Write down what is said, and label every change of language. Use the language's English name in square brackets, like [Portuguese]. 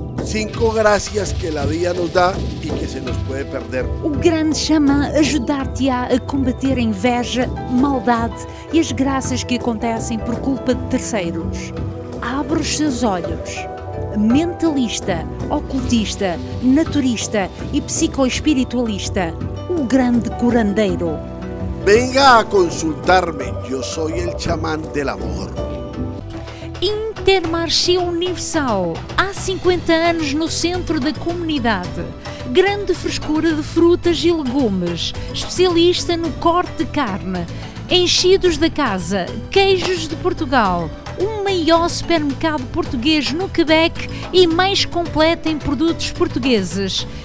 [Spanish] 5 gracias que la vida nos da y que se nos puede perder. [Portuguese] O grande xamã ajudar-te a combater a inveja, maldade e as graças que acontecem por culpa de terceiros. Abre os seus olhos. Mentalista, ocultista, naturista e psicoespiritualista, o grande curandeiro. [Spanish] Venga a consultarme, yo soy el chamán del amor. [Portuguese] Intermarché Universal, há 50 anos no centro da comunidade. Grande frescura de frutas e legumes, especialista no corte de carne. Enchidos da casa, queijos de Portugal, o maior supermercado português no Quebec e mais completo em produtos portugueses.